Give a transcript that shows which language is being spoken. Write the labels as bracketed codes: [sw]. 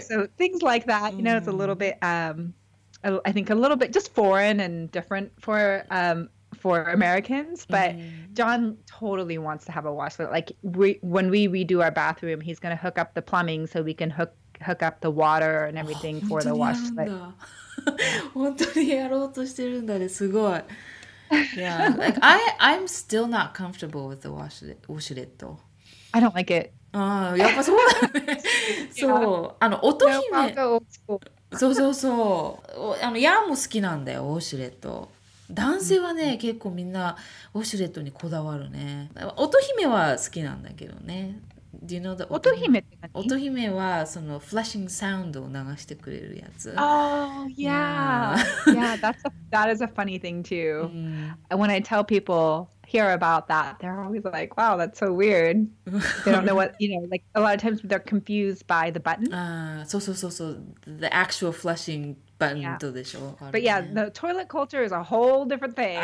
[en] So things like that, you know, it's a little bit, I think a little bit just foreign and different for Americans, but John totally wants to have a washlet. Like when we redo our bathroom, he's going to hook up the plumbing so we can hook up the water and everything for the washlet. [ja] 本当にやろうとしてるんだね。すごい。 [en] Yeah, like I'm still not comfortable with the washlet though. I don't like it. [ja] やっぱそうだね。そう。あの、乙姫。 [en] I'll go old school. [ja] そうそうそう、あのヤンも好きなんだよ、ウォシュレット。男性はね、結構みんなウォシュレットにこだわるね。乙姫は好きなんだけどね。 [en] Do you know the [ja] 乙姫って何？乙姫はそのフラッシングサウンドを流してくれるやつ。 [en] Oh, yeah. that is a funny thing too. When I tell peopleHear about that, they're always like, wow, that's so weird. They don't know what, you know, like a lot of times they're confused by the button. So the actual flushing button. Yeah. But yeah, the toilet culture is a whole different thing.